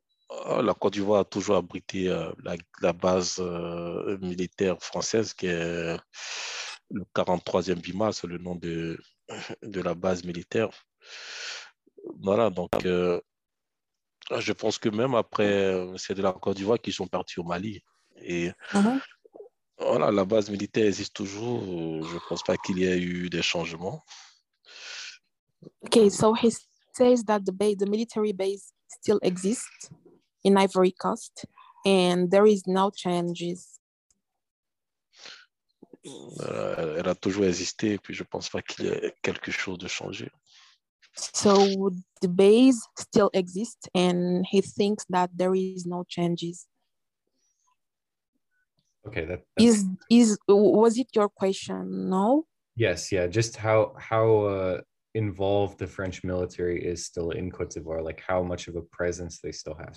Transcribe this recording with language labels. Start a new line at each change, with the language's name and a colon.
French: La Côte d'Ivoire a toujours abrité la base militaire française qui est le 43e Bima, c'est le nom de la base militaire. Voilà, donc je pense que même après, c'est de la Côte d'Ivoire qu'ils sont partis au Mali. Et voilà, la base militaire existe toujours. Je ne pense pas qu'il y ait eu des changements.
English: Ok, so he says that the military base still exists in Ivory Coast, and there is no changes.
French: Elle a toujours existé, et puis je pense pas qu'il y ait quelque chose de changé.
English: So the base still exists, and he thinks that there is no changes. Okay, that was it your question? No. Yes. Yeah. Just how involved the French military is still in Côte d'Ivoire, like how much of a presence they still have.